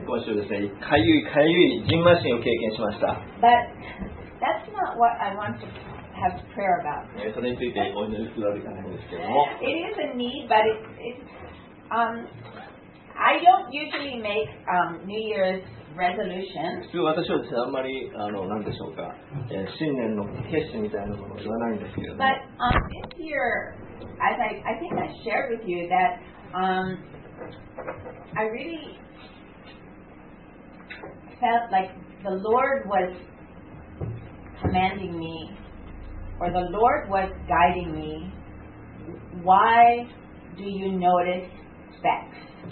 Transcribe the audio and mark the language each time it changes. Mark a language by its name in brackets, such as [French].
[English] But that's not what I want to have prayer about. It is a need, but I don't usually make New Year's resolution. [Japanese] 普通私はですね、あんまり、何でしょうか、新年の決心みたいなものを言わないんですけれども。 [English] But, this year, as I think I shared with you, that, I really felt like the Lord was commanding me, or the Lord was guiding me, why do you notice specs?